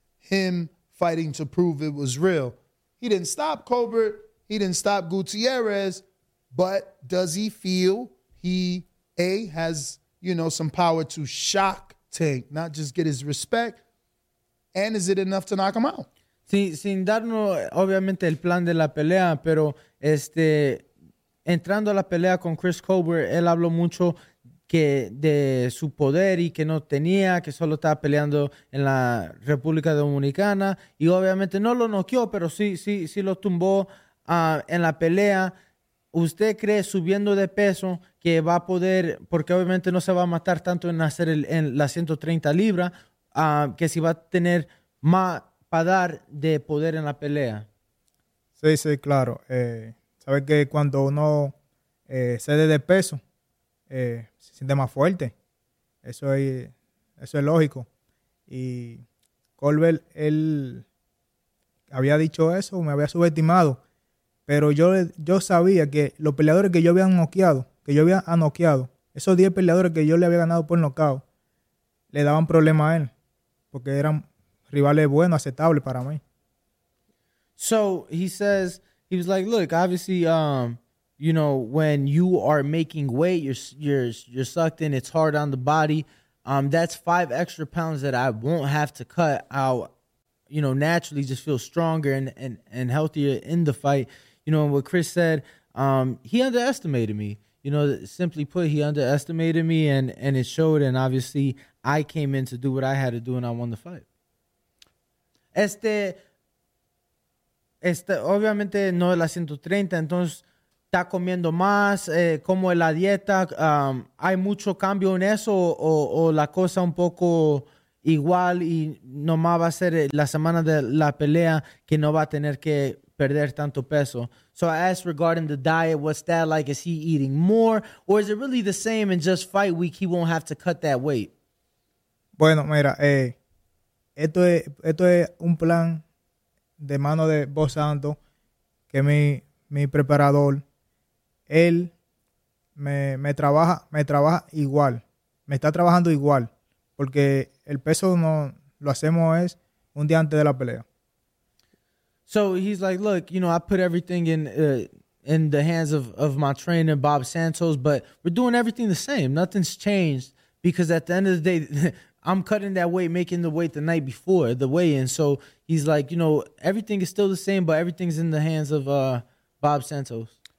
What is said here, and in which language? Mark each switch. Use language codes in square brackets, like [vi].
[en] Him fighting to prove it was real. He didn't stop Colbert. He didn't stop Gutierrez, but does he feel he has some power to shock Tank, not just get his respect, and is it enough to knock him out? [es] Sin darnos, obviamente, el plan de la pelea, pero entrando a la pelea con Chris Colbert, él habló mucho que de su poder y que no tenía, que solo estaba peleando en la República Dominicana, y obviamente no lo noqueó, pero sí lo tumbó. En la pelea, ¿usted cree subiendo de peso que va a poder, porque obviamente no se va a matar tanto en hacer en las 130 libras, que si va a tener más para dar de poder en la pelea? Sí, claro. Sabe que cuando uno cede de peso, se siente más fuerte. Eso es lógico. Y Colbert, él había dicho eso, me había subestimado. Pero yo sabía que los peleadores que yo había noqueado, esos 10 peleadores que yo le había ganado por nocaut, le daban problema a él. Porque eran rivales buenos, aceptables para mí. [en] So, he says, he was like, look, obviously, when you are making weight, you're sucked in, it's hard on the body. That's 5 extra pounds that I won't have to cut out, naturally just feel stronger and healthier in the fight. You know, what Chris said, he underestimated me. You know, simply put, he underestimated me, and it showed. And obviously, I came in to do what I had to do, and I won the fight. [es] Obviamente no es la 130, entonces está comiendo más, como es la dieta, hay mucho cambio en eso, o la cosa un poco igual y nomás va a ser la semana de la pelea que no va a tener que perder tanto peso. [en] So I asked regarding the diet, what's that like? Is he eating more? Or is it really the same and just fight week, he won't have to cut that weight? [es] Bueno, mira, esto es un plan de mano de Bo Santo, que mi preparador, él me trabaja igual, me está trabajando igual, porque el peso no lo hacemos es un día antes de la pelea. [en] So he's like, look, you know, I put everything in the hands of my trainer, Bob Santos, but we're doing everything the same. Nothing's changed because at the end of the day, I'm cutting that weight, making the weight the night before the weigh-in. So he's like, you know, everything is still the same, but everything's in the hands of Bob Santos.